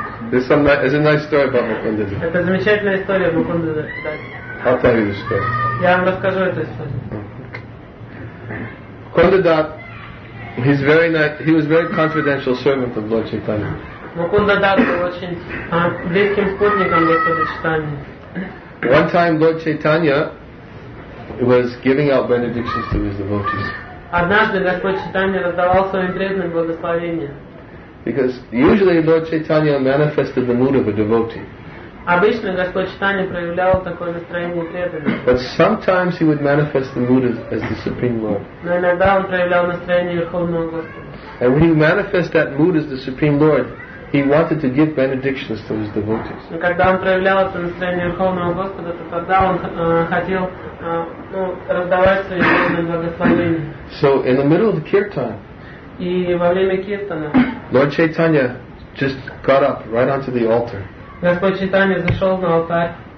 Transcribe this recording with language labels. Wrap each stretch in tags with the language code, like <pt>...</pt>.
<en>There's some is a nice story about Mukunda Dutt.</en> <ru>Это замечательная история Mukunda Dutt.</ru> <en>I'll tell you the story.</en> <ru>Я вам расскажу эту историю.</ru> <en>Mukunda Dutt, he was very confidential servant of Lord Chaitanya.</en> <ru>Mukunda Dutt был очень близким спутником Господа Чайтаньи.</ru> <en>One time Lord Chaitanya was giving out benedictions to his devotees.</en> <ru>Однажды Господь Чайтанья раздавал своим преданным благословения.</ru> <en>Because usually Lord Chaitanya manifested the mood of a devotee.</en> <ru>Обычно Господь Чайтанья проявлял такое настроение преданного.</ru> <en>But sometimes he would manifest the mood as the Supreme Lord.</en> <ru>Но иногда он проявлял настроение Верховного Господа.</ru> <en>And when he manifested that mood as the Supreme Lord, he wanted to give benedictions to his devotees.</en> <ru>Но когда он проявлял это настроение Верховного Господа, то тогда он хотел раздавать свои преданные благословения.</ru> <en>So in the middle of the kirtan,</en> <ru>и во время киртана,</ru> <en>Lord Chaitanya just got up right onto the altar.</en> <ru>Господь Чайтанья зашел на алтарь.</ru>